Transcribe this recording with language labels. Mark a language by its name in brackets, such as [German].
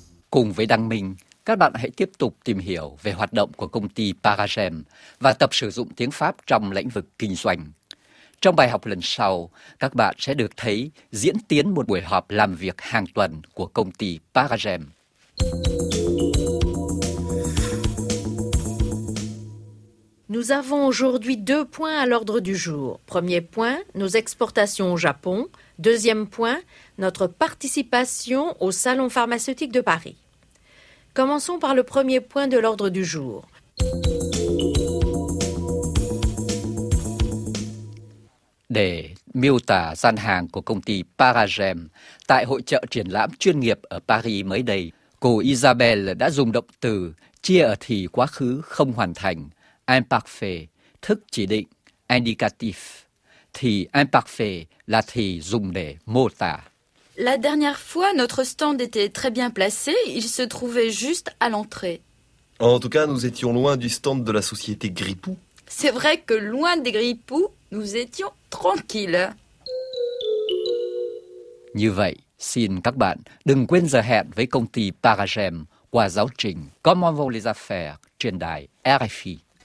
[Vietnamese] Cùng với Đăng Minh, các bạn hãy tiếp tục tìm hiểu về hoạt động của công ty Paragem và tập sử dụng tiếng Pháp trong lĩnh vực kinh doanh. Trong bài học lần sau, các bạn sẽ được thấy diễn tiến một buổi họp làm việc hàng tuần của công ty Paragem. [French] Nous avons aujourd'hui deux points à l'ordre du jour. Premier point, nos exportations au Japon. Deuxième point, notre participation au Salon pharmaceutique de Paris. Commençons par le premier point de l'ordre du jour. [Vietnamese] Để miêu tả gian hàng của công ty Paragem tại hội chợ triển lãm chuyên nghiệp ở Paris mới đây, cô Isabelle đã dùng động từ chia ở thì quá khứ không hoàn thành, imparfait, thức chỉ định, indicatif. Thì imparfait là thì dùng để mô tả. [French] La dernière fois, notre stand était très bien placé. Il se trouvait juste à l'entrée. En tout cas, nous étions loin du stand de la société Gripou. C'est vrai que loin des Gripou, nous étions tranquilles. [Vietnamese] Như vậy, xin các bạn đừng quên giờ hẹn với công ty Paragem qua giáo trình Comment vont les affaires trên đài RFI.